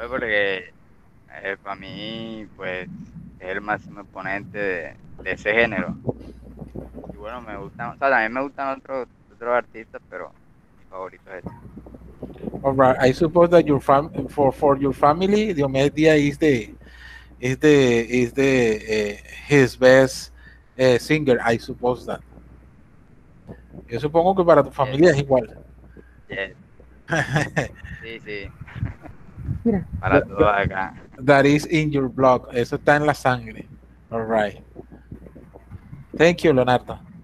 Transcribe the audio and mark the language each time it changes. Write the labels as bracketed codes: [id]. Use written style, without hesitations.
[es] Porque para mí, pues, es el máximo exponente de ese género. Y bueno, me gustan, o sea, también me gustan otros artistas, pero mi favorito es este. [en] All right, I suppose that your for your family, Diomedes Díaz is the his best singer. I suppose that. [es] Yo supongo que para tu familia es igual. Sí. Mira. Para todos acá. [en] That is in your blood. [es] Eso está en la sangre. [en] All right. Thank you, Leonardo.